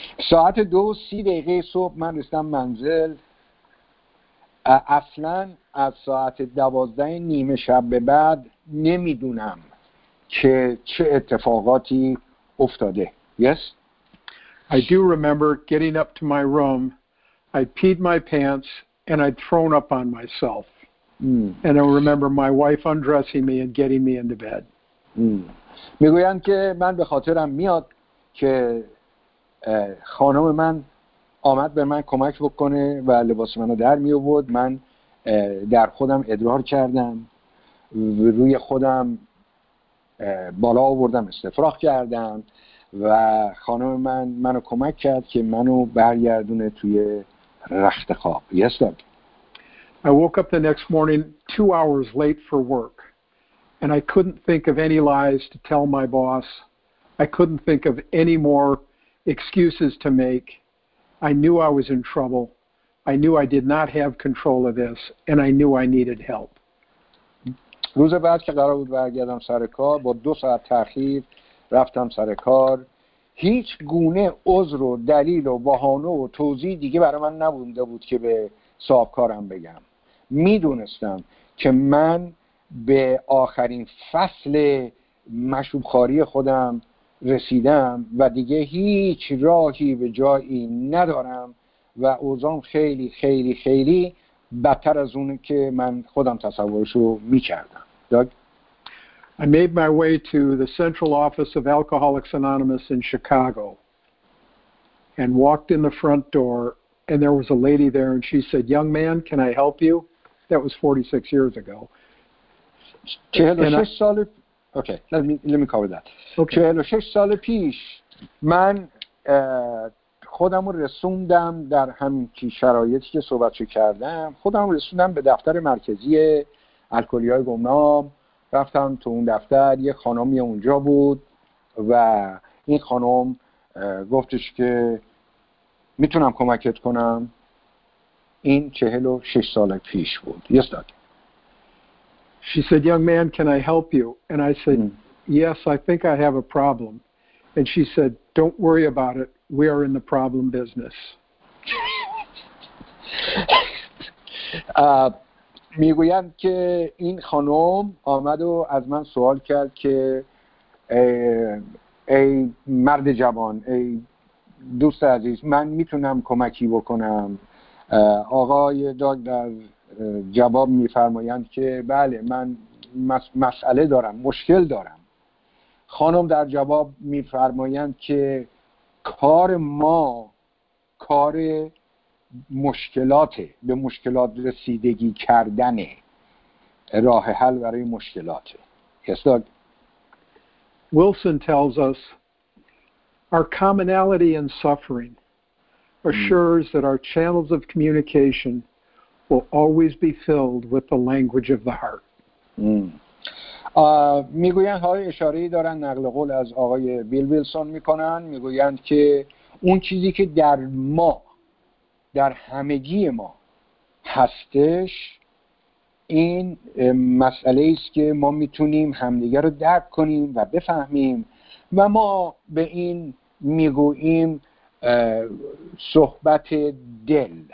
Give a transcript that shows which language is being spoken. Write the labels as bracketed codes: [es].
[fa] ساعت 2:30 صبح من رسیدم منزل. اصلا از ساعت 12:30 شب به بعد نمیدونم که چه اتفاقاتی افتاده. [en] Yes? I do remember getting up to my room. I peed my pants and I'd thrown up on myself. And I remember my wife undressing me and getting me into bed. [fa] میگویند که من به خاطرم میاد که خانم من آمد به من کمک بکنه و لباس منو در می آورد. من در خودم ادرار کردم، روی خودم بالا آوردم، استفراغ کردم و خانم من منو کمک کرد که منو برگردونه توی رخت خواب. [en] Yes, Doug. I woke up the next morning 2 hours late for work and I couldn't think of any lies to tell my boss. I couldn't think of any more excuses to make. I knew I was in trouble. I knew I did not have control of this and I knew I needed help. [fa] روز بعد که قرار بود برگردم سر کار، با 2 ساعت تأخیر رفتم سر کار. هیچ گونه عذر و دلیل و بهانه و توضیح دیگه برای من نبوده بود که به صاحب کارم بگم. میدونستم که من به آخرین فصل مشروب خواری خودم رسیدم و دیگه هیچ راهی به جایی ندارم و اوضاعم خیلی خیلی خیلی بدتر از اون که من خودم تصورشو میکردم. [en] Doug? I made my way to the central office of Alcoholics Anonymous in Chicago and walked in the front door and there was a lady there and she said, young man, can I help you? That was 46 years ago. [fa] 46 سال... [en] Okay, let me cover that. Okay. [fa] 46 سال پیش من خودم رو رسوندم در همین شرایطی که صحبت کردم، خودم رو رسوندم به دفتر مرکزی الکلی های گمنام. رفتم تو اون دفتر، یه خانمی اونجا بود و این خانم گفتش که میتونم کمکت کنم. این 46 سال پیش بود. [en] Yes, Doug. She said, young man, can I help you? And I said, yes, I think I have a problem. And she said, don't worry about it. We are in the problem business. [fa] میگویند که این خانم آمد و از من سوال کرد که ای مرد جوان، ای دوست عزیز، من میتونم کمکی بکنم. آقای داگ در جواب میفرمایند که بله، من مسئله دارم، مشکل دارم. خانم در جواب میفرمایند که کار ما کار مشکلاته، به مشکلات رسیدگی کردنه، راه حل برای مشکلاته. [en] Yes, Doug. Wilson tells us our commonality in suffering assures that our channels of communication will always be filled with the language of the heart. [fa] میگویند های اشاره‌ای دارن، نقل قول از آقای بیل ویلسون میکنن، میگویند که اون چیزی که در ما، در همگی ما هستش، این مسئله است که ما میتونیم همدیگر رو درک کنیم و بفهمیم و ما به این میگوییم صحبت دل،